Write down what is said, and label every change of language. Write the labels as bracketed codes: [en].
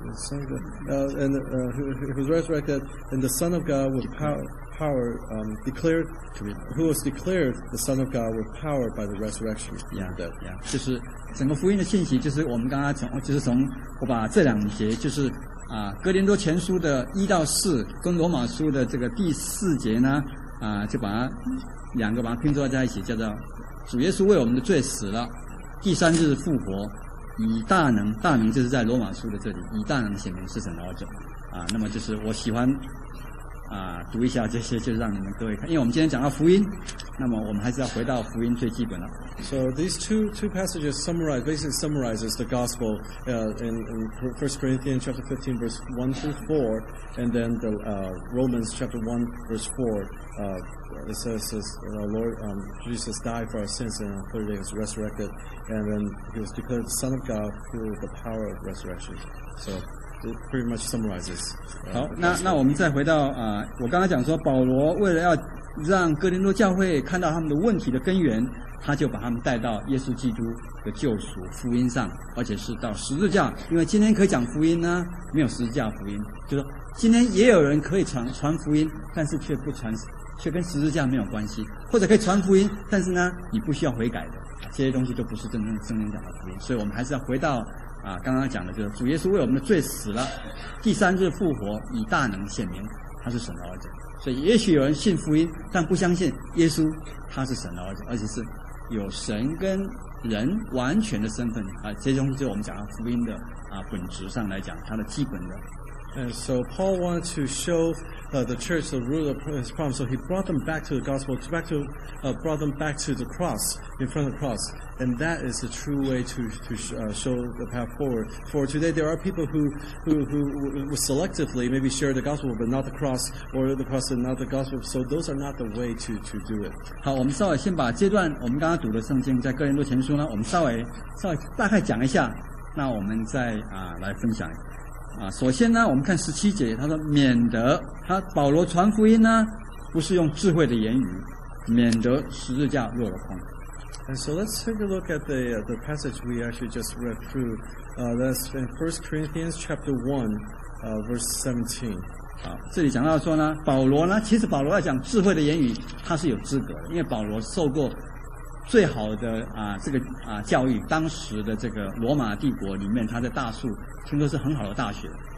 [en] He was resurrected, and the Son of God with power declared to be, who was declared the Son of God with power by the resurrection. Yeah. [zh] 就是整个福音的信息，就是我们刚刚从，就是从我把这两节，就是啊，哥林多前书的一到四，跟罗马书的这个第四节呢，啊，就把它两个把它拼凑在一起，叫做主耶稣为我们的罪死了，第三日复活。以大能，大能就是在罗马书的这里，以大能显明是神的儿子啊。那么就是我喜欢啊读一下这些，就是让你们各位看，因为我们今天讲到福音，那么我们还是要回到福音最基本的。 [en] So these two passages basically summarizes the gospel in 1 Corinthians chapter 15 verse 1 through 4 and then the Romans chapter 1 verse 4. It says our Lord Jesus died for our sins and on the third day was resurrected and then he was declared the Son of God through the power of resurrection. So it pretty much summarizes. [zh] 好，那我们再回到啊，我刚才讲说保罗为了要让哥林多教会看到他们的问题的根源，他就把他们带到耶稣基督的救赎福音上，而且是到十字架。因为今天可以讲福音呢，没有十字架福音，就是说今天也有人可以传福音，但是却不传，却跟十字架没有关系，或者可以传福音，但是呢，你不需要悔改的，这些东西都不是真正圣经讲的福音。所以我们还是要回到啊，刚刚讲的就是主耶稣为我们的罪死了，第三日复活，以大能显明他是神的儿子。所以也许有人信福音，但不相信耶稣他是神的儿子，而且是有神跟人完全的身份啊，这东西就是我们讲到福音的啊本质上来讲，它的基本的。 [en] And so Paul wanted to show the church the root of his problem, so he brought them back to the gospel, brought them back to the cross, in front of the cross, and that is the true way to show the path forward. For today, there are people who selectively maybe share the gospel, but not the cross, or the cross and not the gospel, so those are not the way to do it. [zh] 好，我们稍微先把这段我们刚刚读的圣经在哥林多前书呢，我们稍微大概讲一下，那我们再来分享一下。啊，首先呢，我们看十七节，他说免得他保罗传福音呢，不是用智慧的言语，免得十字架落了空。 [en] And so let's take a look at the passage we actually just read through. That's in 1 Corinthians chapter 1, verse 17. [zh] 好，这里讲到说呢，保罗呢，其实保罗要讲智慧的言语，他是有资格的，因为保罗受过最好的教育，当时的这个罗马帝国里面，他在大树听说是很好的大学。